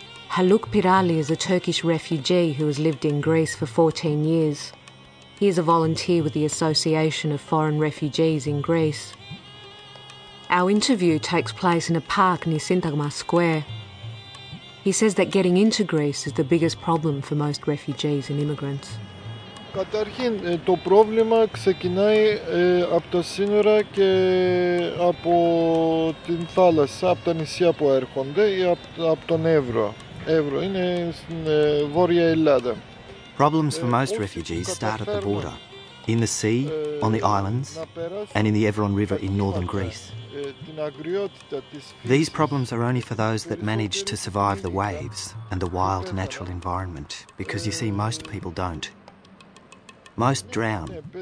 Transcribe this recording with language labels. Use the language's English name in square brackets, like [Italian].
[English] Haluk Pirali is a Turkish refugee who has lived in Greece for 14 years. He is a volunteer with the Association of Foreign Refugees in Greece. Our interview takes place in a park near Syntagma Square. He says that getting into Greece is the biggest problem for most refugees and immigrants. [Greek] Καταρχήν, το πρόβλημα ξεκινάει από τα σύνορα και από την θάλασσα, από τα νησιά που έρχονται ή από τον Εύρο. Εύρο είναι στην Βόρεια Ελλάδα. [English] Problems for most refugees start at the border, in the sea, on the islands, and in the Evron River in northern Greece. These problems are only for those that manage to survive the waves and the wild natural environment, because you see, most people don't. Most drown.